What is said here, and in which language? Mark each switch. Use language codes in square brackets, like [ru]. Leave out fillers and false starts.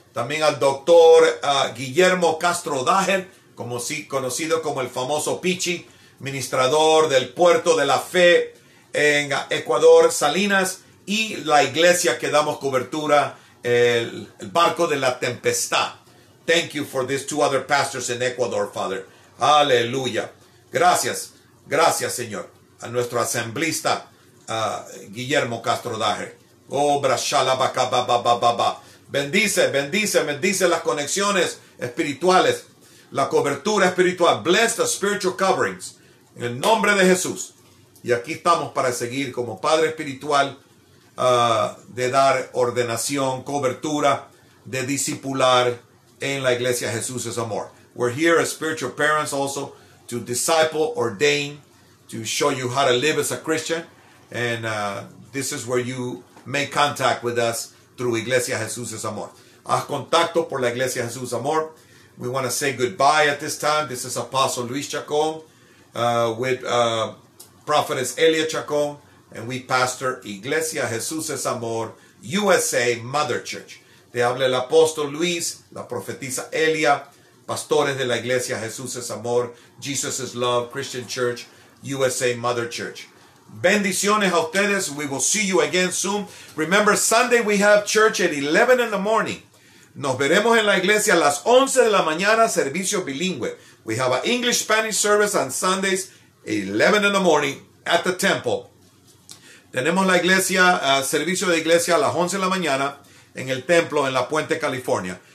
[es] También al doctor Guillermo Castro Dajer, conocido como el famoso Pichi, ministrador del Puerto de la Fe en Ecuador, Salinas, y la iglesia que damos cobertura, el barco de la tempestad. [en] Thank you for these two other pastors in Ecuador, Father. [es] Aleluya. Gracias, gracias, Señor, a nuestro asamblista Guillermo Castro Dajer. Oh, brashalabacabababababa. Bendice, bendice, bendice las conexiones espirituales, la cobertura espiritual. [en] Bless the spiritual coverings. [es] En el nombre de Jesús. Y aquí estamos para seguir como Padre Espiritual, de dar ordenación, cobertura, de discipular en la Iglesia Jesús es Amor. [en] We're here as spiritual parents also to disciple, ordain, to show you how to live as a Christian. And this is where you make contact with us through Iglesia Jesús es Amor. [es] Haz contacto por la Iglesia Jesús Amor. [en] We want to say goodbye at this time. This is Apostle Luis Chacón with Prophetess Elia Chacón, and we pastor Iglesia Jesús es Amor, USA Mother Church. [es] Te habla el apóstol Luis, la profetisa Elia, pastores de la Iglesia Jesús es Amor, Jesus is Love, Christian Church, USA Mother Church. Bendiciones a ustedes. [en] We will see you again soon. Remember, Sunday we have church at 11 in the morning. [es] Nos veremos en la iglesia a las 11 de la mañana, servicio bilingüe. [en] We have an English-Spanish service on Sundays, 11 in the morning, at the temple. [es] Tenemos la iglesia, servicio de iglesia a las 11 de la mañana, en el templo, en La Puente, California.